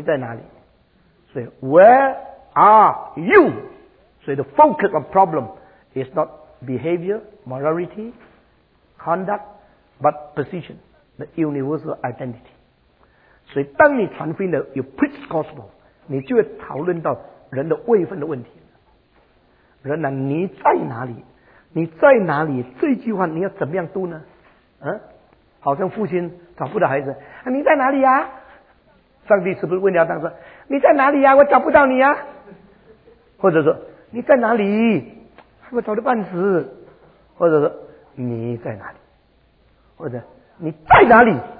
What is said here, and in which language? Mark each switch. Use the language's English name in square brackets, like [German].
[Chinese] 就成了我要传的道，因为我要传的道，就把上帝的心意传出来了。那么呢，在这个启示的过程中间，都是在人跌倒以后呢，上帝就开始讲话。人跌倒以后，上帝讲的第一句话是什么呢？你在哪里？所以 [English] Where are you？所以 the focus of problem is not behavior, morality, conduct, but position, the universal identity. [Chinese] 所以当你传福音的有 [English] preach gospel， [Chinese] 你就会讨论到人的位分的问题。人呢、啊？你在哪里？你在哪里？这句话你要怎么样读呢？嗯，好像父亲找不到孩子，你在哪里呀？上帝是不是问亚当说：“你在哪里呀？我找不到你呀。”或者说：“你在哪里？我找的半死。”或者说：“你在哪里？”或者你在哪里？